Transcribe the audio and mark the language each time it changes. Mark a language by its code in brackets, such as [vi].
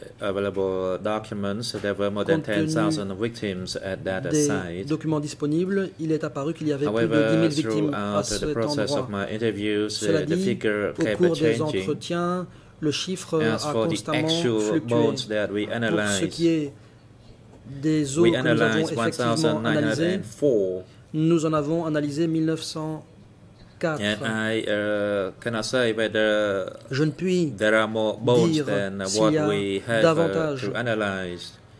[en] Available documents, there were more than 10,000 victims at that site. [fr] Des documents disponibles, il est apparu qu'il y avait plus de 10 000 victimes à cet endroit. Cela dit, au cours des entretiens, le chiffre a constamment fluctué. Pour ce qui est des eaux que nous avons effectivement analysées, nous en avons analysé 1904. [en] And I cannot say whether [fr] je ne puis [en] there are more bones than what we have to analyze.